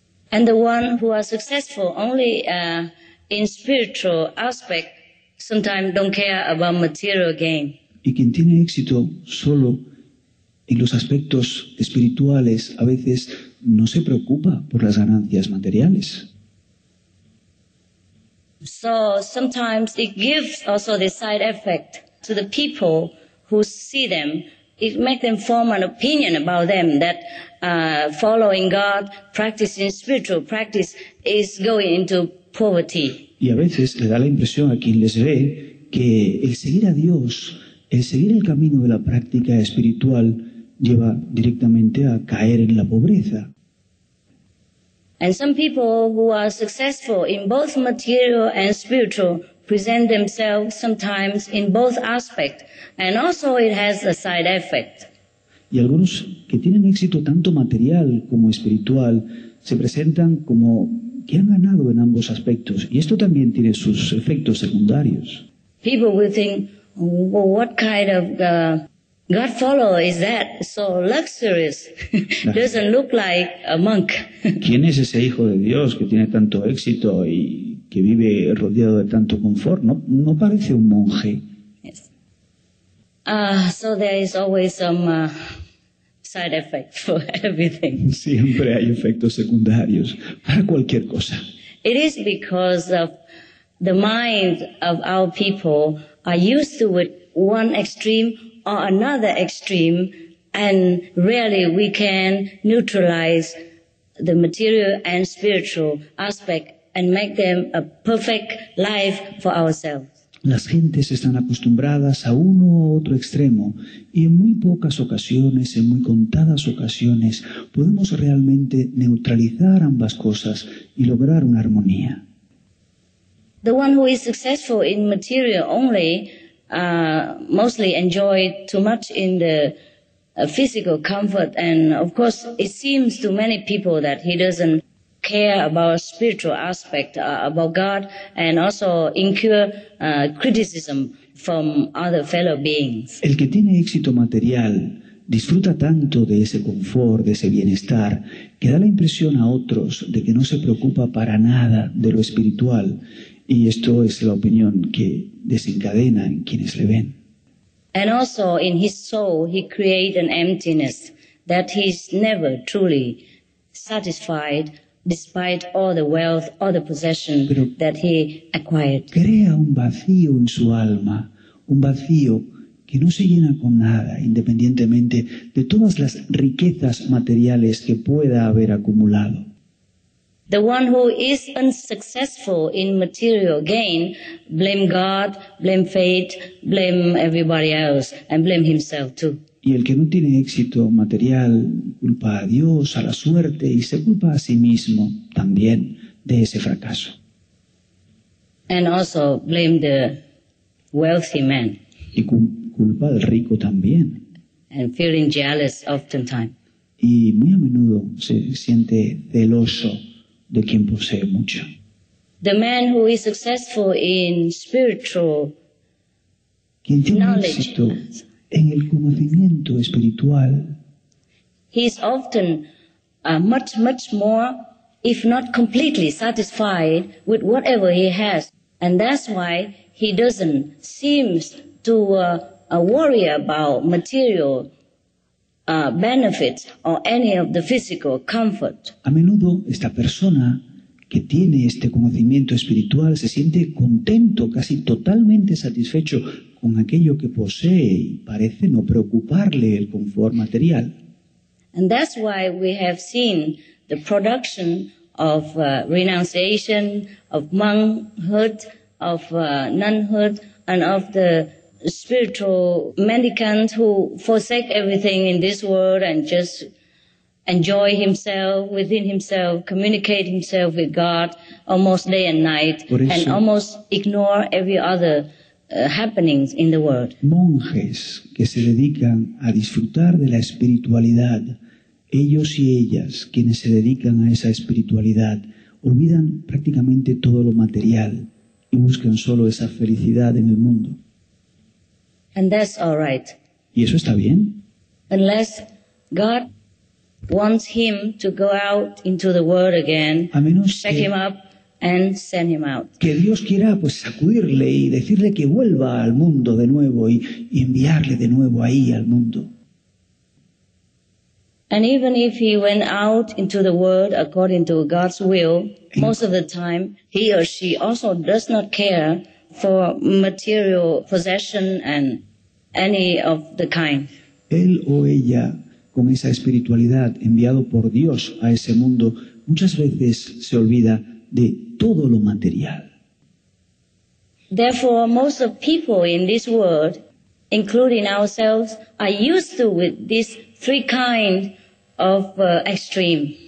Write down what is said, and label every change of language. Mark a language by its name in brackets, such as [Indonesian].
[English] And the one who are successful only in spiritual aspect sometimes don't care about material gain. [Spanish] Y quien tiene éxito solo en los aspectos espirituales a veces no se preocupa por las ganancias materiales. [English] So sometimes it gives also the side effect to the people who see them. It makes them form an opinion about them that following God, practicing spiritual practice, is going into poverty. [Spanish] Y a veces le da la impresión a quien les ve que el seguir a Dios, el seguir el camino de la práctica espiritual, lleva directamente a caer en la pobreza. [English] And some people who are successful in both material and spiritual present themselves sometimes in both aspects, and also it has a side effect. [Spanish] Y algunos que tienen éxito tanto material como espiritual se presentan como que han ganado en ambos aspectos, y esto también tiene sus efectos secundarios. [English] People will think, well, what kind of God follower is that? So luxurious. Doesn't look like a monk. [Spanish] ¿Quién es ese hijo de Dios que tiene tanto éxito y que vive rodeado de tanto confort? No parece un monje. [English] Yes. So there is always some side effect for everything. [Spanish] Siempre hay efectos secundarios para cualquier cosa. [English] It is because of the mind of our people are used to it one extreme or another extreme, and rarely we can neutralize the material and spiritual aspect and make them a perfect life for ourselves. [Spanish] Las gentes están acostumbradas a uno u otro extremo, y en muy pocas ocasiones, en muy contadas ocasiones, podemos realmente neutralizar ambas cosas y lograr una armonía. [English] The one who is successful in material only mostly enjoy too much in the physical comfort, and of course it seems to many people that he doesn't care about spiritual aspect, about God, and also incur criticism from other fellow beings. [Spanish] El que tiene éxito material disfruta tanto de ese confort, de ese bienestar, que da la impresión a otros de que no se preocupa para nada de lo espiritual. Y esto es la opinión que desencadena en quienes le ven. [English] And also in his soul he creates an emptiness that he is never truly satisfied despite all the wealth or the possession that he acquired. [Spanish] Crea un vacío en su alma, un vacío que no se llena con nada, independientemente de todas las riquezas materiales que pueda haber acumulado. [English] The one who is unsuccessful in material gain blame God, blame fate, blame everybody else, and blame himself too. [Spanish] Y el que no tiene éxito material culpa a Dios, a la suerte, y se culpa a sí mismo también de ese fracaso. [English] And also blame the wealthy man. [Spanish] Y culpa al rico también. [English] And feeling jealous oftentimes. [Spanish] Y muy a menudo se siente celoso de quien posee mucho. [English] The man who is successful in spiritual [Spanish] quien tiene [English] knowledge, [Spanish] éxito en el conocimiento espiritual, [English] he is often much more, if not completely satisfied with whatever he has, and that's why he doesn't seem to worry about material benefits or any of the physical comfort. [Spanish] A menudo esta persona que tiene este conocimiento espiritual se siente contento, casi totalmente satisfecho con aquello que posee, y parece no preocuparle el confort material. [English] And that's why we have seen the production of renunciation, of monkhood, of nunhood, and of the spiritual mendicant who forsake everything in this world and just enjoy himself within himself, communicate himself with God almost day and night, and almost ignore every other happenings in the world. [Spanish] Monjes que se dedican a disfrutar de la espiritualidad, ellos y ellas, quienes se dedican a esa espiritualidad, olvidan prácticamente todo lo material y buscan solo esa felicidad en el mundo. [English] And that's all right. [Spanish] ¿Y eso está bien? [English] Unless God wants him to go out into the world again, check him up and send him out. [Spanish] Que Dios quiera pues sacudirle y decirle que vuelva al mundo de nuevo y enviarle de nuevo ahí al mundo. [English] And even if he went out into the world according to God's will, most of the time he or she also does not care for material possession and any of the kind. [Spanish] Él o ella, con esa espiritualidad enviado por Dios a ese mundo, muchas veces se olvida de todo lo material. [English] Therefore, most of people in this world, including ourselves, are used to with these three kinds of extreme.